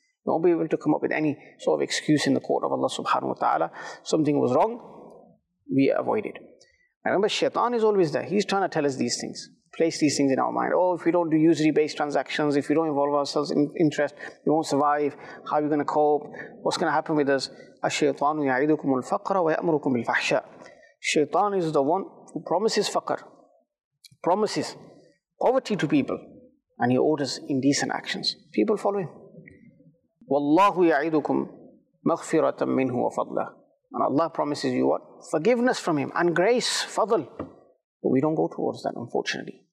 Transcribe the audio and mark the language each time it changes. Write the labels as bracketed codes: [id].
[en] You won't be able to come up with any sort of excuse in the court of Allah subhanahu wa ta'ala. Something was wrong, we avoid it. And remember, shaitan is always there. He's trying to tell us these things. Place these things in our mind. Oh, if we don't do usury-based transactions, if we don't involve ourselves in interest, we won't survive. How are we going to cope? What's going to happen with us? [ar] الشيطان يعيدكم الفقر ويأمركم بالفحشاء. [en] Shaitan is the one who promises faqr, promises poverty to people, and he orders indecent actions. People follow him. [ar] وَاللَّهُ يَعِدُكُمْ مَغْفِرَةً مِّنْهُ وَفَضْلًا. [en] And Allah promises you what? Forgiveness from him and grace, fadl. But we don't go towards that, unfortunately.